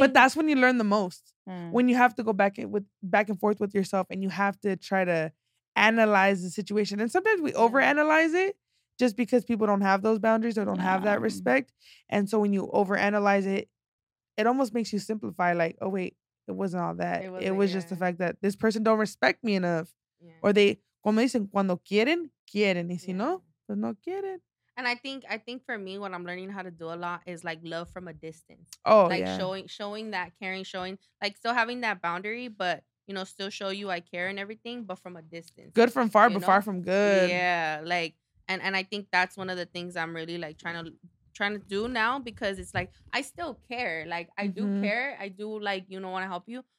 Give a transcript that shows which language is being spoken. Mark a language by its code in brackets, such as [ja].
[en] But that's when you learn the most. Mm. When you have to go back and forth with yourself, and you have to try to analyze the situation. And sometimes we overanalyze it just because people don't have those boundaries or don't have that respect. And so when you overanalyze it, it almost makes you simplify. Like, oh, wait. It wasn't all that. It was just the fact that this person don't respect me enough. Yeah. Or they, [es] como dicen, cuando quieren, quieren. Y si no, pues no quieren. [en] And I think for me, what I'm learning how to do a lot is like love from a distance. Oh, like yeah. showing that caring, showing, like still having that boundary, but, you know, still show you I care and everything, but from a distance. Good from far, but far from good. Yeah, like, and I think that's one of the things I'm really like trying to do now, because it's like I still care, like I do care, I do, like, you know, want to help you,